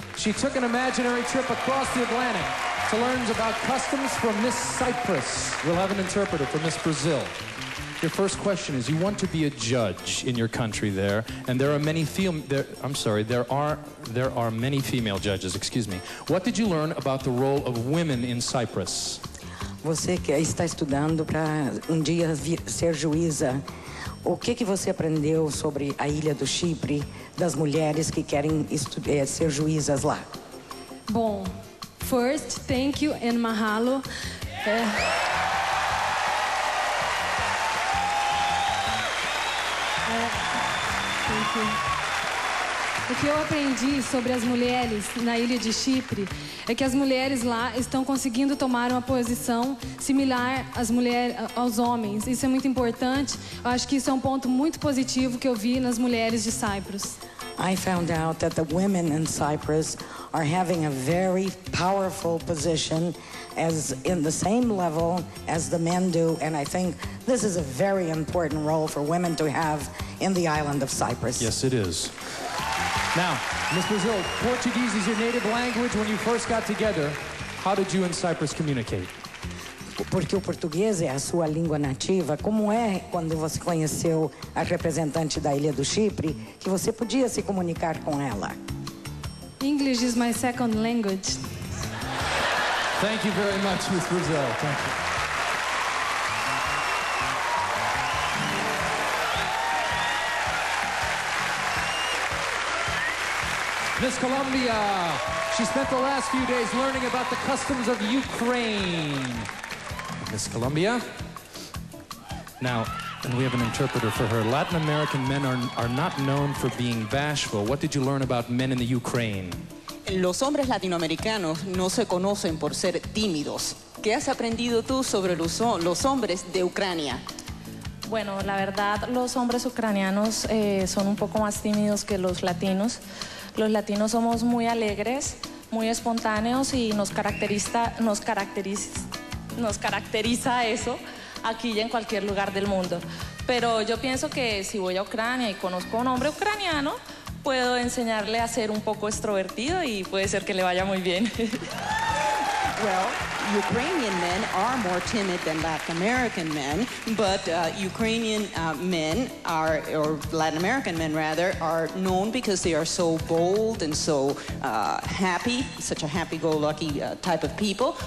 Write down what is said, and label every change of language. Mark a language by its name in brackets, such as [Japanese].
[English] She took an imaginary trip across the Atlantic to learn about customs from Miss Cyprus. We'll have an interpreter for Miss Brazil. Your first question is, you want to be a judge in your country there, and there are many female judges, excuse me. What did you learn about the role of women in Cyprus? [Portuguese] Você que está estudando para dia ser juíza, o que você aprendeu sobre a ilha do Chipre, das mulheres que querem ser juízas lá? [English] Bom, first, thank you and mahalo. Yeah. [Portuguese] O que eu aprendi sobre as mulheres na ilha de Chipre é que as mulheres lá estão conseguindo tomar uma posição similar às mulheres, aos homens. Isso é muito importante. Eu acho que isso é um ponto muito positivo que eu vi nas mulheres de Cyprus. [English] I found out that the women in Cyprus are having a very powerful position as in the same level as the men do, and I think this is a very important role for women to have in the island of Cyprus. Yes, it is. Now, Ms. Brazil, Portuguese is your native language. When you first got together, how did you and Cyprus communicate? [Portuguese] Porque o português é a sua língua nativa, como é quando você conheceu a representante da ilha do Chipre, que você podia se comunicar com ela? [English] English is my second language. Thank you very much, Ms. Brazil. Thank you. Miss Colombia, she spent the last few days learning about the customs of Ukraine. Miss Colombia. Now, and we have an interpreter for her. Latin American men are not known for being bashful. What did you learn about men in the Ukraine? [Spanish] Los hombres latinoamericanos no se conocen por ser tímidos. ¿Qué has aprendido tú sobre los hombres de Ucrania? Bueno, la verdad, los hombres ucranianos son un poco más tímidos que los latinos. Los latinos somos muy alegres, muy espontáneos y nos caracteriza eso aquí y en cualquier lugar del mundo. Pero yo pienso que si voy a Ucrania y conozco a un hombre ucraniano, puedo enseñarle a ser un poco extrovertido y puede ser que le vaya muy bien. [English] Well, Ukrainian men are more timid than Latin American men, but Ukrainian men are, or Latin American men rather, are known because they are so bold and so happy, such a happy-go-lucky type of people.